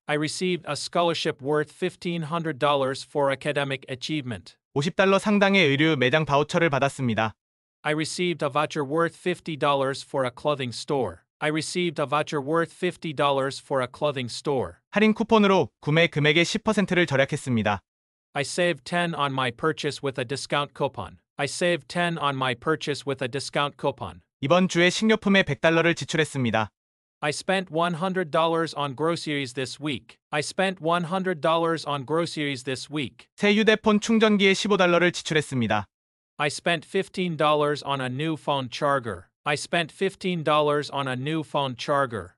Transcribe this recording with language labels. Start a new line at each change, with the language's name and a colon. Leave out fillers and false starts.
English: I received a scholarship worth $1,500 for academic achievement.
Korean: $50 상당의 의류 매장 바우처를 받았습니다.
English: I received a voucher worth $50 for a clothing store. I received a voucher worth $50 for a clothing store.
Korean: 할인 쿠폰으로 구매 금액의 10%를 절약했습니다.
English: I saved 10 on my purchase with a discount coupon. I saved 10 on my purchase with a discount coupon.
Korean: 이번 주에 식료품에 $100를 지출했습니다.
English: I spent $100 on groceries this week. I spent $100 on groceries this week.
Korean: 새 휴대폰 충전기에 $15를 지출했습니다.
English: I spent $15 on a new phone charger. I spent $15 on a new phone charger.